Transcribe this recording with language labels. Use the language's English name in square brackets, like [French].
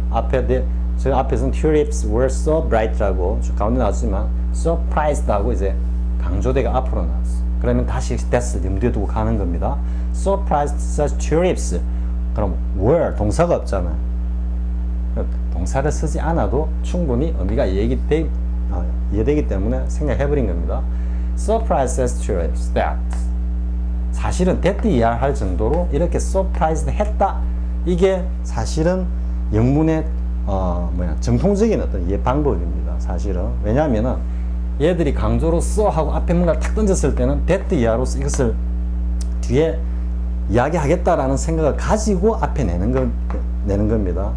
[Korean] 앞에서는 [English] tulips were so bright [Korean] 라고 가운데 나왔지만 surprised하고 이제 강조대가 앞으로 나왔어. 그러면 다시 됐을 때 염두에 두고 가는 겁니다. [English] Surprised such tulips. [Korean] 그럼 were 동사가 없잖아. 동사를 쓰지 않아도 충분히 의미가 이해되기 때문에 생략해버린 겁니다. [English] Surprised such tulips that [Korean] 사실은 [English] that [Korean] 이해할 정도로 이렇게 [English] surprised [Korean] 했다. 이게 사실은 영문의 정통적인 어떤 이해 방법입니다. 사실은 왜냐하면은 얘들이 강조로 써 하고 앞에 뭔가를 탁 던졌을 때는 that 이하로서 이것을 뒤에 이야기하겠다라는 생각을 가지고 앞에 내는 겁니다.